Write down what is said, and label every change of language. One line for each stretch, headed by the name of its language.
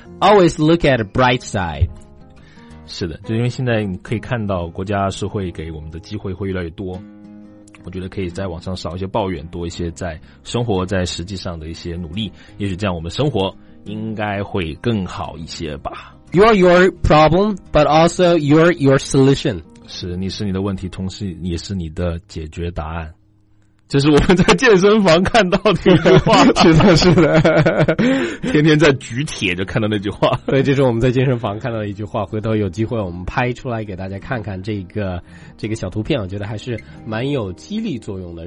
English: Always look at the bright side。
Chinese: 是的，就因为现在你可以看到国家是会给我们的机会会越来越多。我觉得可以在网上少一些抱怨，多一些在生活在实际上的一些努力，也许这样我们生活应该会更好一些吧。
English: You are your problem, but also you are your solution.
Chinese: 是，你是你的问题，同时也是你的解决答案。这是我们在健身房看到的一句话。是的，是的。天天在举铁就看到那句话。对，这是我们在健身房看到的一句话，回头有机会我们拍出来给大家看看这个小图片，我觉得还是蛮有激励作用的。